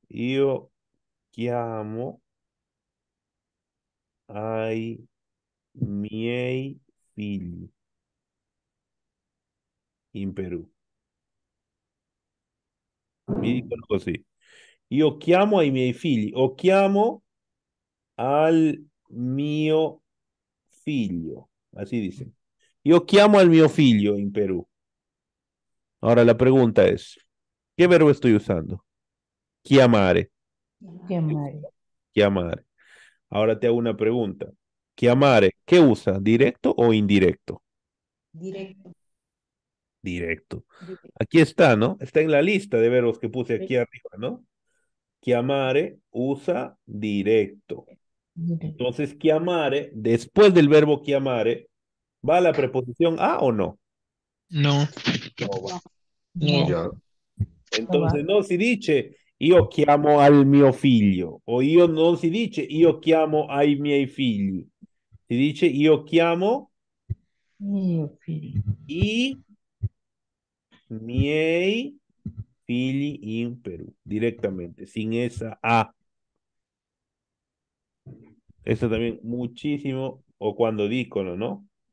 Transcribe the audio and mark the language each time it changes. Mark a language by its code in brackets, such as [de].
[it] Io chiamo ai miei figli in Perù. Mi dicono così. Io chiamo ai miei figli o chiamo al mio figlio. [es] Así dicen. [it] Io chiamo al mio figlio in Perù. [es] Ora la pregunta es, ¿qué verbo estoy usando? [it] Chiamare. [es] Qué madre. [it] Chiamare. [es] Ahora te hago una pregunta. Chiamare, ¿qué usa? ¿Directo o indirecto? Directo. Directo. Directo. Aquí está, ¿no? Está en la lista de verbos que puse aquí arriba, ¿no? Chiamare usa directo. Directo. Entonces, chiamare, después del verbo chiamare, ¿va la preposición a o no? No. No. No. No Entonces, va. [it] no, si dice, io chiamo al mio figlio, o io non si dice, io chiamo ai miei figli. Si dice, io chiamo i miei figli in Perù, [es] directamente, sin esa a. Eso también muchísimo, o cuando dicono, ¿no?